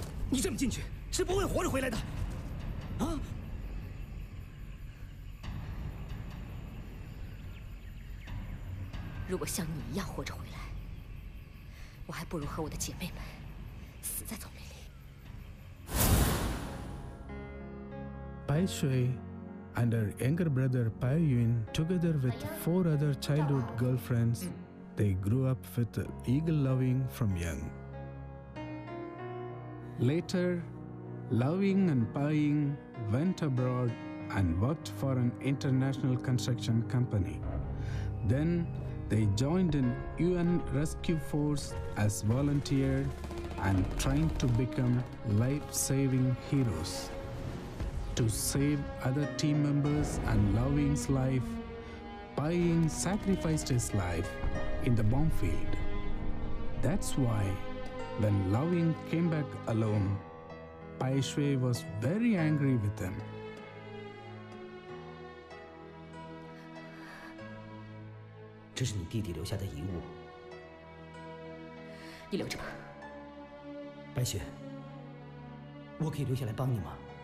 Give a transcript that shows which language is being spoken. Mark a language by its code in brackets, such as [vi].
[zh] 你这么进去，是不会活着回来的，啊？如果像你一样活着回来，我还不如和我的姐妹们死在丛林里。 [en] 白水 and her younger brother 白云 together with four other childhood girlfriends、嗯、they grew up with eagle loving from young. Later, Loving and Paying went abroad and worked for an international construction company. Then,They joined in UN Rescue Force as volunteer and trying to become life-saving heroes. To save other team members and Loving's life, Paying sacrificed his life in the bomb field. That's why when Loving came back alone, Pai Shui was very angry with him. [zh] 这是你弟弟留下的遗物，你留着吧。白雪，我可以留下来帮你吗？